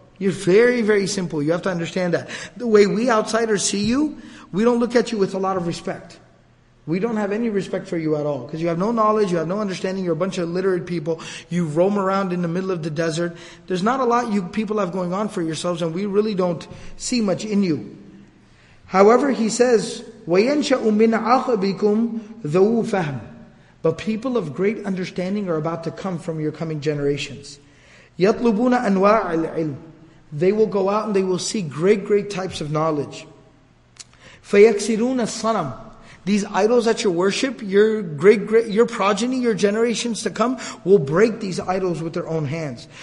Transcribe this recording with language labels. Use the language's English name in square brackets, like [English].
[English] You're very, very simple. You have to understand that. The way we outsiders see you, we don't look at you with a lot of respect. We don't have any respect for you at all. Because you have no knowledge, you have no understanding, you're a bunch of illiterate people, you roam around in the middle of the desert. There's not a lot you people have going on for yourselves, and we really don't see much in you. However, he says, [Arabic] وَيَنْشَأُ مِنْ عَقَبِكُمْ ذَوُ فَهْمٍ. [English] But people of great understanding are about to come from your coming generations. [Arabic] يَطْلُبُونَ أَنْوَاعَ الْعِلْمِ. [English] They will go out and they will see great, great types of knowledge. [Arabic] فَيَكْسِرُونَ الصَّنَمِ. [English] These idols that you worship, your great, your progeny, your generations to come, will break these idols with their own hands.